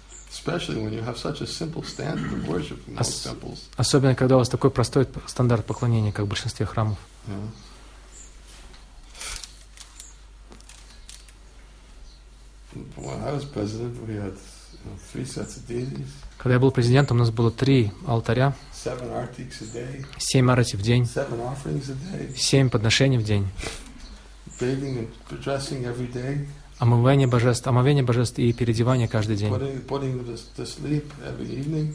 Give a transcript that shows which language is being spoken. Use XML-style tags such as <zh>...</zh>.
<en>Especially when you have such a simple standard of worship in most temples.</en> <ru>Особенно когда у вас такой простой стандарт поклонения, как в большинстве храмов.</ru> <en>When I was president, we had three sets of deities.</en> <ru>Когда я был президентом, у нас было три алтаря.</ru> <en>Seven artics a day.</en> <ru>Семь арати в день.</ru> <en>Seven offerings a day.</en> <ru>Семь подношений в день.</ru> <en>Bathing and dressing every day.</en> <ru>Омовение божеств, и переодевание каждый день.</ru> <en>Putting to sleep every evening.</en>